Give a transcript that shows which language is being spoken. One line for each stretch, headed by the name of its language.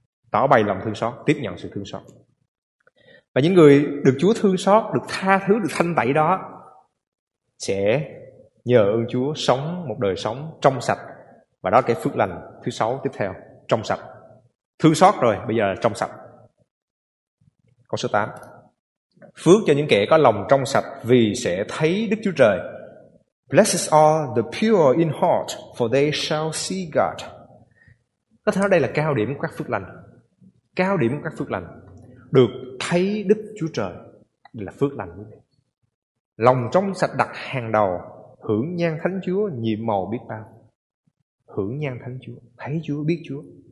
Vietnamese: Tỏ bày lòng thương xót, tiếp nhận sự thương xót. Và những người được Chúa thương xót, được tha thứ, được thanh tẩy đó sẽ nhờ ơn Chúa sống một đời sống trong sạch. Và đó là cái phước lành thứ sáu tiếp theo. Trong sạch. Thương xót rồi, bây giờ là trong sạch. Câu số 8. Phước cho những kẻ có lòng trong sạch vì sẽ thấy Đức Chúa Trời.
English: Blessed are the pure in heart, for they shall see God.
Vietnamese: Có thể nói đây là cao điểm của các phước lành. Cao điểm của các phước lành. Được thấy Đức Chúa Trời. Đây là phước lành. Lòng trong sạch đặt hàng đầu. Hưởng nhan Thánh Chúa nhiệm màu biết bao. Hưởng nhan Thánh Chúa. Thấy Chúa, biết Chúa.